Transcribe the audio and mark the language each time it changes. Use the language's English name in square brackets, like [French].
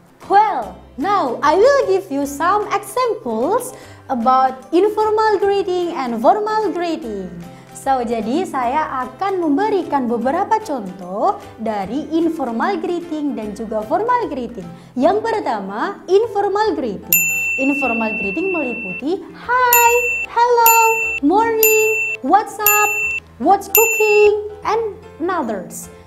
[English] Well, now I will give you some examples about informal greeting and formal greeting. [Indonesian] So, jadi saya akan memberikan beberapa contoh dari informal greeting dan juga formal greeting. Yang pertama, informal greeting. [English] Informal greeting [Indonesian] meliputi [English] hi, hello, morning, what's up, what's cooking, and others.